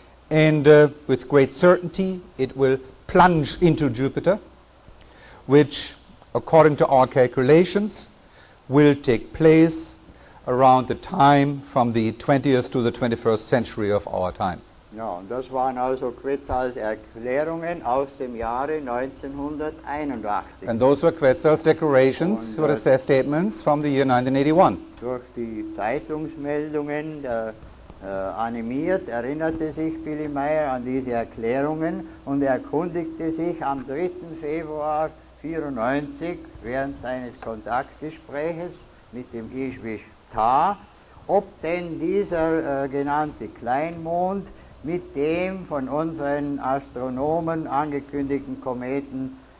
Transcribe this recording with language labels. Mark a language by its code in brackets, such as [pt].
[en] And with great certainty, it will plunge into Jupiter, which, according to our calculations, will take place around the time from the 20th to the 21st century of our time. [de] Ja, und das waren also Quetzals Erklärungen aus dem Jahre 1981. [en] And those were Quetzals declarations, or statements from the year 1981. [de] Durch die Zeitungsmeldungen animiert, erinnerte sich Willy Meyer an diese Erklärungen und erkundigte sich am 3. Februar 1994 während seines Kontaktgespräches mit dem Gishwish Tah, ob denn dieser genannte Kleinmond mit dem von unseren Astronomen angekündigten Kometen